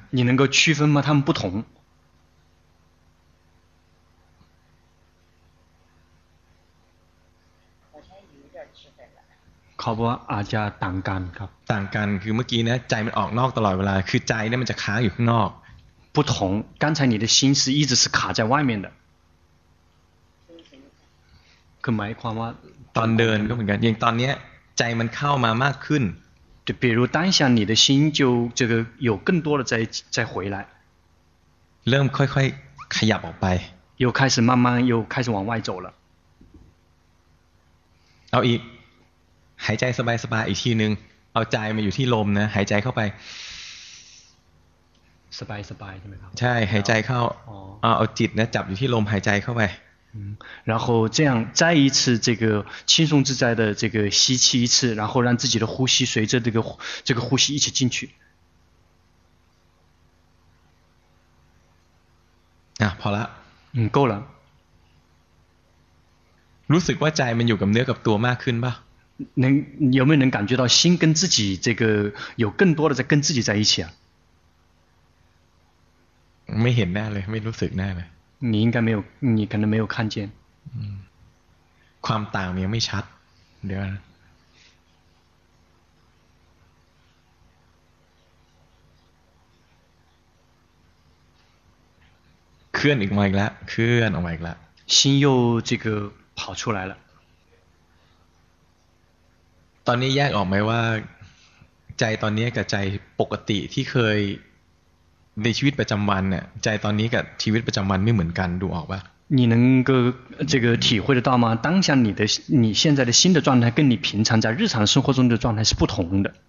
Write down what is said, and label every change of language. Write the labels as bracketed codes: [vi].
[zh] 你能够区分吗他们不同 [th] เขาบอกว่าอาจจะต่างกันครับ ต่างกันคือเมื่อกี้นะใจมันออกนอกตลอดเวลาคือใจเนี่ยมันจะค้างอยู่ข้างนอก [zh] 不同刚才你的心是一直是卡在外面的 [th] คือหมายความว่า ตอนเดินก็เหมือนกันอย่างตอนนี้ใจมันเข้ามามากขึ้น [zh] จะ比如当下你的心就这个有更多的再回来 [th] เริ่มค่อยๆขยับออกไป [zh] 又开始慢慢又开始往外走了 [th] เอาอีกหายใจสบายๆอีกทีนึงเอาใจมาอยู่ที่ลมนะหายใจเข้าไป สบายๆใช่มั้ยครับ ใช่หายใจเข้าเอาจิตนะจับอยู่ที่ลมหายใจเข้าไป [zh] 然后这样再一次这个轻松自在的这个吸气一次然后让自己的呼吸随着这个呼吸一起进去啊好了嗯，够了。 [th] รู้สึกว่าใจมันอยู่กับเนื้อกับตัวมากขึ้นป่ะ [zh] 能有没有能感觉到心跟自己这个有更多的在跟自己在一起啊？没见到嘞，没 [th] รู้สึกแน่เลย。 [zh] 你应该没有，你可能没有看见。嗯。 [th] ความต่างยังไม่ชัดเดี๋ยวเคลื่อนออกมาอีกแล้วเคลื่อนออกมาอีกแล้ว [zh] 心又这个跑出来了 [th] ตอนนี้แยกออกไหมว่าใจตอนนี้กับใจปกติที่เคยในชีวิตประจำวันเนี่ยใจตอนนี้กับชีวิตประจำวันไม่เหมือนกันดูออกป่ะ [zh] 你能够这个体会得到吗？当下你的你现在的新的状态跟你平常在日常生活中的状态是不同的。